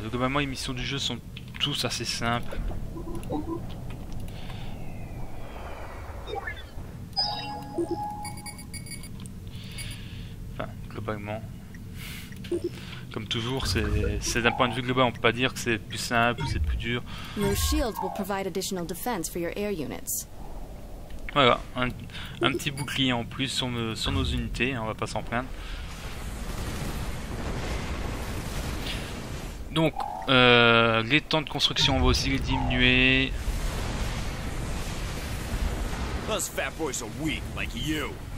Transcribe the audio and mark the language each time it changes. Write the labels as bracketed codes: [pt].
[fr] Globalement les missions du jeu sont tous assez simples. principalement. Comme toujours, c'est d'un point de vue global, on peut pas dire que c'est plus simple ou c'est plus dur. [en] Your shields will provide additional defense for your air units. [fr] Voilà, un petit bouclier en plus sur nos unités, on va pas s'en plaindre. Donc, les temps de construction vont aussi les diminuer. [en] Us fat boys are weak like you.